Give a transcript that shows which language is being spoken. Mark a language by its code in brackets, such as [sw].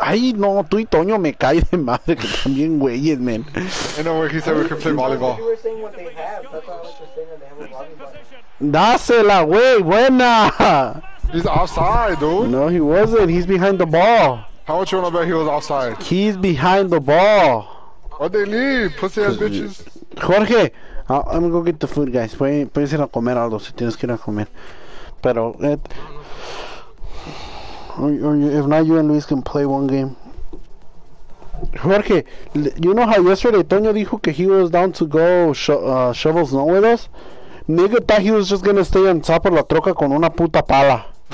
[es] Ay, no, tú y Toño me cae de madre, que también güeyes, man. [en] I know where he said we can play volleyball. [es] Dásela, güey, buena. [en] He's outside, dude. No, he wasn't. He's behind the ball. How much you want to bet he was outside? He's behind the ball. Why'd they leave, pussy-ass bitches? Jorge, I'm going to go get the food, guys. [es] Puedes ir a comer, Aldo, si tienes que ir a comer. Pero, [en] if not, you and Luis can play one game. Jorge, you know how yesterday Toño [es] dijo que [en] he was down to go shovel snow with us? Nigga thought he was just going to stay on top of [es] la troca con una puta pala.